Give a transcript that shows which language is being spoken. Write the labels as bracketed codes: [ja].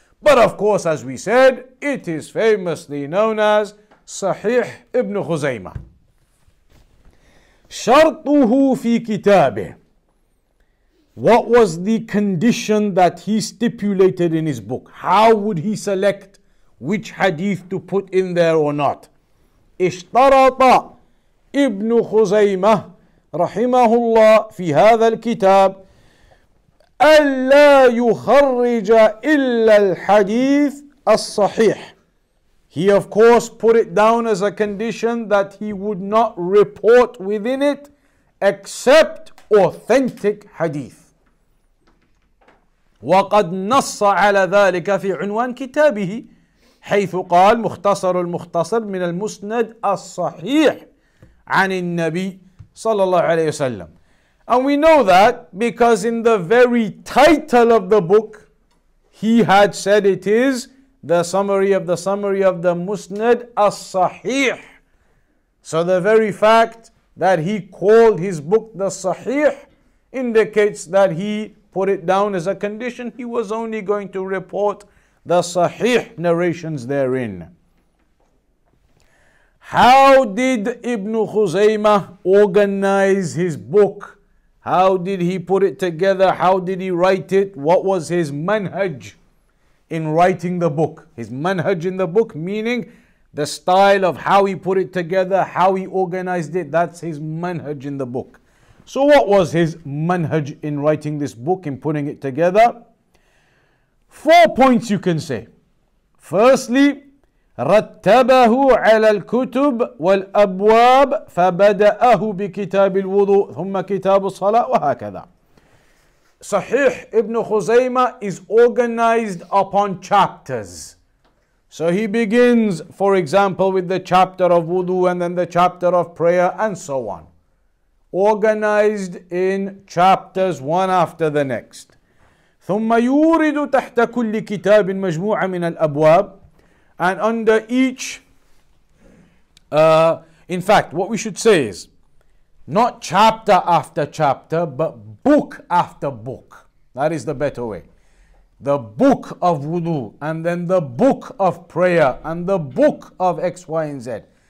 [en] But of course, as we said, it is famously known as Sahih Ibn Khuzaymah. [ar] شرطه في كتابه. [en] What was the condition that he stipulated in his book? How would he select which hadith to put in there or not? [ar] اشترط ابن خزيمة رحمه الله في هذا الكتاب ألا يخرج إلا الحديث الصحيح. [en] He of course put it down as a condition that he would not report within it except authentic hadith. [ar] وقد نص على ذلك في عنوان كتابه حيث قال مختصر المختصر من المسند الصحيح عن النبي صلى الله عليه وسلم. [en] And we know that because in the very title of the book he had said it is the summary of the Musnad as-Sahih. So the very fact that he called his book the Sahih indicates that he put it down as a condition he was only going to report the Sahih narrations therein. How did Ibn Khuzaymah organize his book? How did he put it together? How did he write it? What was his manhaj in writing the book? His manhaj in the book, meaning the style of how he put it together, how he organized it, that's his manhaj in the book. So what was his manhaj in writing this book, in putting it together? 4 points you can say. [ar] Firstly, رتبه على الكتب والأبواب فبدأه بكتاب الوضوء ثم كتاب الصلاة وهكذا. [en] صحيح ابن خزيمة is organized upon chapters. So he begins, for example, with the chapter of wudu and then the chapter of prayer and so on. Organized in chapters one after the next. [ar] ثم يورد تحت كل كتاب مجموعة من الأبواب. [en] And under each, in fact, what we should say is, not chapter after chapter, but book after book. That is the better way. The book of wudu, and then the book of prayer, and the book of X, Y, and Z.